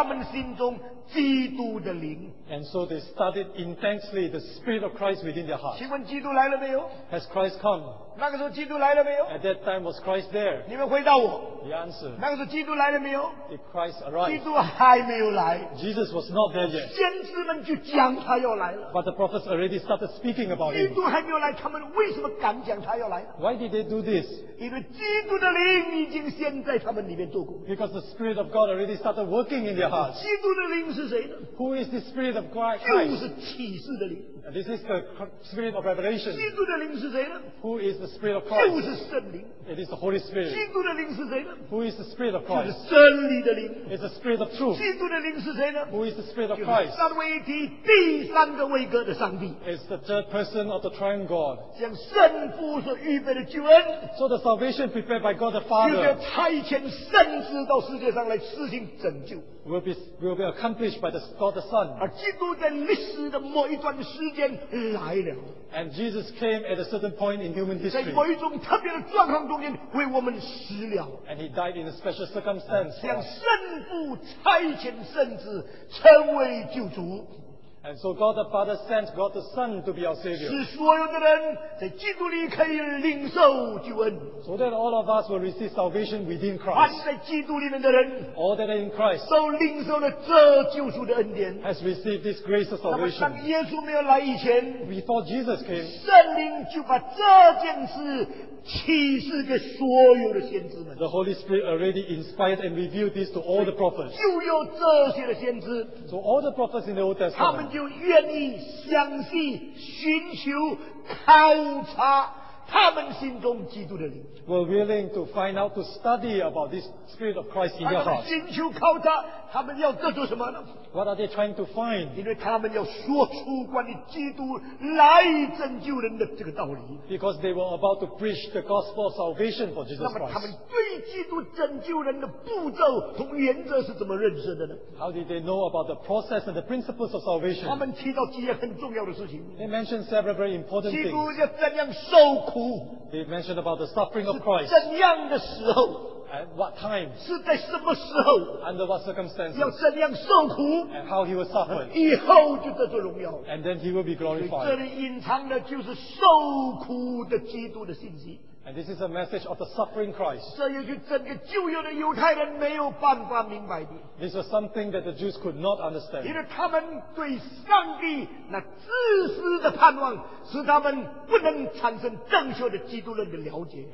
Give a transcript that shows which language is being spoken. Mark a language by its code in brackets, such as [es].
[zh] 所以他们就相信寻求靠他在他们心中基督的灵。 [en] And so they studied intensely the Spirit of Christ within their hearts. [zh] 请问基督来了没有? [en] Has Christ come? [zh] 那个时候基督来了没有? [en] At that time was Christ there? [zh] 你们回答我? [en] The answer. [zh] 那个时候基督来了没有? [en] If Christ arrived, [zh] 基督还没有来, [en] Jesus was not there yet. [zh] 先知们就讲他要来了, [en] but the prophets already started speaking about him. [zh] 基督还没有来, 他们为什么敢讲他要来? [en] Why did they do this? [zh] 因为基督的灵已经先在他们里面做过, [en] because the Spirit of God already started working in their hearts. [zh] 基督的灵是谁呢? [en] Who is the Spirit of Christ? [zh] 就是启示的灵。 [en] This is the Spirit of Revelation. [zh] 基督的灵是谁呢? [en] Who is the Spirit of Christ? [zh] 就是圣灵。 [en] It is the Holy Spirit. [zh] 基督的灵是谁呢? [en] Who is the Spirit of Christ? [zh] 就是真理的灵。 [en] It's the Spirit of Truth. [zh] 基督的灵是谁呢? [en] Who is the Spirit of Christ? [zh] 就是三位一体第三个位格的上帝。 [en] It's the third person of the Triune God. [zh] 将圣父所预备的救恩, [en] so the salvation prepared by God the Father, [zh] 就要差遣圣子到世界上来施行拯救, [en] will be accomplished by the God the Son. [zh] 而基督在历史的某一段时间来了。 [en] And Jesus came at a certain point in human history. [zh] 在某一种特别的状况中间为我们死了。 [en] And he died in a special circumstance. [zh] 向圣父差遣圣子成为救主。 [en] And so God the Father sent God the Son to be our Savior. [zh] 使所有的人在基督里可以领受救恩。 [en] So that all of us will receive salvation within Christ. [zh] 凡在基督里面的人 [en] all that are in Christ [zh] 都领受了这救赎的恩典。 [en] Has received this grace of salvation. [zh] 那么当耶稣没有来以前 [en] before Jesus came, [zh] 圣灵就把这件事启示给所有的先知们。 [en] The Holy Spirit already inspired and revealed this to all the prophets. [zh] 就有这些的先知。 [en] So all the prophets in the Old Testament. [zh] 他们就愿意相信、寻求、考察他们心中基督的灵。 [en] Were willing to find out to study about this Spirit of Christ in their hearts. [zh] 寻求考察，他们要得出什么呢？ [en] What are they trying to find? [zh] 因为他们要说出关于基督来拯救人的这个道理。 [en] Because they were about to preach the gospel of salvation for Jesus Christ. [zh] 那么他们对基督拯救人的步骤和原则是怎么认识的呢？ [en] How did they know about the process and the principles of salvation? [zh] 他们提到几件很重要的事情。 [en] They mentioned several very important things. [zh] 基督要怎样受苦？ [en] They mentioned about the suffering of Christ. [zh] 怎样的时候？ [en] At what time? [zh] 是在什么时候? [en] Under what circumstances? [zh] 要怎样受苦? [en] And how he will suffer? [zh] 以后就得着荣耀。 [en] And then he will be glorified. [zh] 这里隐藏的就是受苦的基督的信息。 [en] And this is a message of the suffering Christ. [zh] 这也是整个旧约的犹太人没有办法明白的。 [en] This was something that the Jews could not understand. [zh] 因为他们对上帝那自私的盼望，使他们不能产生正确的基督论的了解。